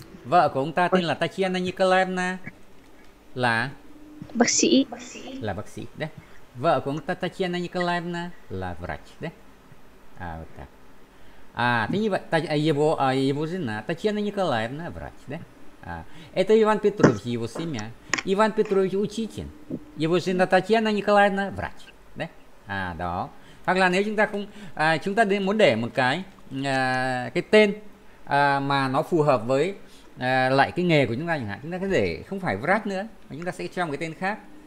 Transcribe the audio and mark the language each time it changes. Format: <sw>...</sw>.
<vi>Vợ của ông ta tên là Татьяна Николаевна. Là? Bác sĩ. Là bác sĩ, đấy. Vợ của ông ta Татьяна Николаевна là врач, đấy. À, vậy ta. À, thế như vậy, ta,</vi> <ru>его, его жена, Татьяна Николаевна, врач, đấy. А, это Иван Петрович, его семья. Иван Петрович учитель. Его жена Татьяна Николаевна врач. Да? А, да.</ru> <vi>Hoặc là nếu chúng ta không, chúng ta muốn để một cái tên mà nó phù hợp với lại cái nghề của chúng ta chẳng hạn, chúng ta có để không phải врач nữa, mà chúng ta sẽ cho một cái tên khác.</vi>